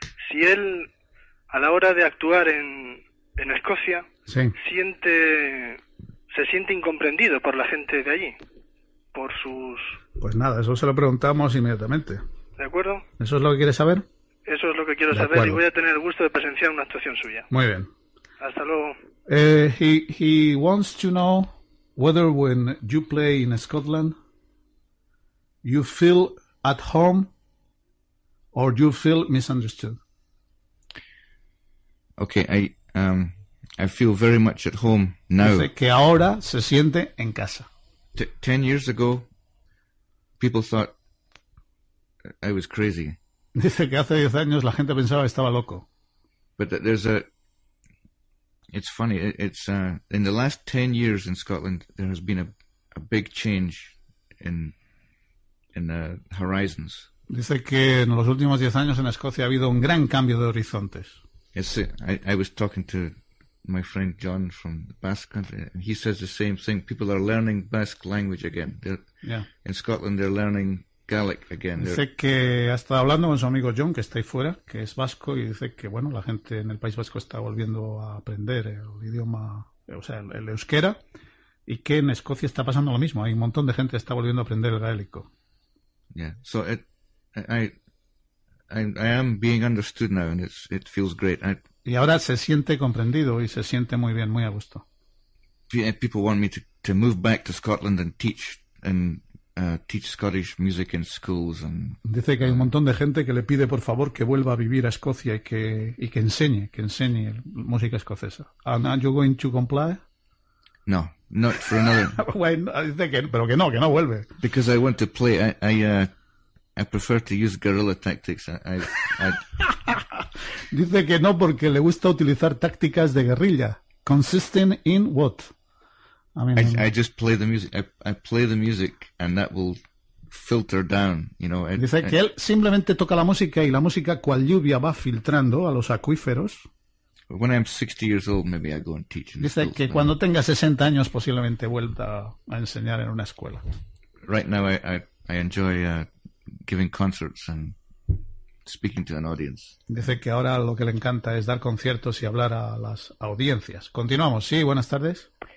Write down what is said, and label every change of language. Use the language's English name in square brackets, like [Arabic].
[Spanish] Si él, a la hora de actuar en Escocia, sí. Se siente incomprendido por la gente de allí, por sus... Pues nada, eso se lo preguntamos inmediatamente. ¿De acuerdo? ¿Eso es lo que quiere saber? Eso es lo que quiero saber y voy a tener el gusto de presenciar una actuación suya. Muy bien. Hasta luego. [English] He wants to know whether when you play in Scotland you feel at home or you feel misunderstood. Okay, I feel very much at home now. [Spanish] Dice que ahora se siente en casa. [English] 10 years ago people thought I was crazy. [Spanish] Dice que hace 10 años la gente pensaba que estaba loco. [English] But there's a... It's funny. It's in the last 10 years in Scotland, there has been a big change in the horizons. [Spanish] Dice que en los últimos 10 años en Escocia ha habido un gran cambio de horizontes. [English] Yes, I was talking to my friend John from Basque country, and he says the same thing. People are learning Basque language again. In Scotland, they're learning Gaelic again. [Spanish] Dice que ha estado hablando con su amigo John, que está ahí fuera, que es vasco, y dice que, bueno, la gente en el País Vasco está volviendo a aprender el idioma, o sea, el euskera, y que en Escocia está pasando lo mismo. Hay un montón de gente que está volviendo a aprender el gaélico. [English] Yeah, so I am being understood now, and it feels great. [Spanish] Y ahora se siente comprendido y se siente muy bien, muy a gusto. [English] People want me to move back to Scotland and teach and teach Scottish music in schools. And [Spanish] dice que hay un montón de gente que le pide por favor que vuelva a vivir a Escocia y que enseñe, que enseñe música escocesa. [English] And are you going to comply? No, not for another. [Spanish] Well, dice que, pero que no vuelve. [English] Because I want to play. I prefer to use guerrilla tactics. [Spanish] Dice que no porque le gusta utilizar tácticas de guerrilla. [English] Consisting in what? I just play the music. I play the music and that will filter down, you know. [Spanish] Dice que él simplemente toca la música y la música cual lluvia va filtrando a los acuíferos. [English] When I'm 60 years old, maybe I go and teach. [Spanish] Dice que cuando tenga 60 años posiblemente vuelva a enseñar en una escuela. [English] Right now I enjoy giving concerts and speaking to an audience. [Spanish] Dice que ahora lo que le encanta es dar conciertos y hablar a las audiencias. Continuamos. Sí, buenas tardes.